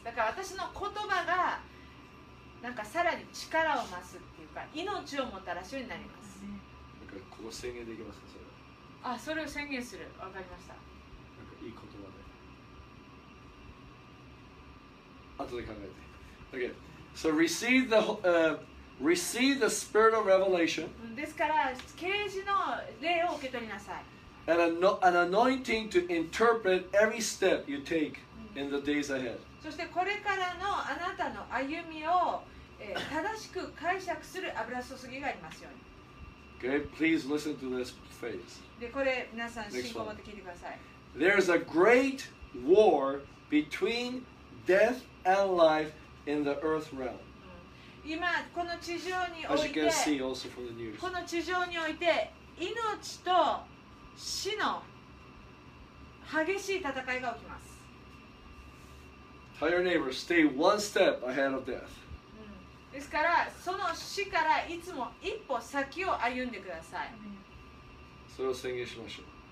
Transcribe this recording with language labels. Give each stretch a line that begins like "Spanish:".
Japanese: だから私の言葉がなんかさらに力を増すっていうか命をもたらすようになります。ここ宣言できますか、それ。あ、それを宣言する。わかりました。なんかいい言葉で後で考えて。
English: OK So receive the、receive the spirit of revelation.
Japanese: ですから啓示の霊を受け取りなさい。
English: An anointing to interpret every step you take in the days ahead.
Japanese: そしてこれからのあなたの歩みを正しく解釈する油注ぎがありますように。
English: Okay, please listen to this phrase.
Japanese: でこれ皆さん信仰を持って聞いてください。
English: There's a great war between death and life in the earth realm.
Japanese: 今この地上において、この地上において命と死の激しい戦いが起きます。
English: Tell your neighbor, stay one step ahead of death.
Japanese: ですからその死からいつも一歩先を歩んでください。それを宣言しましょう。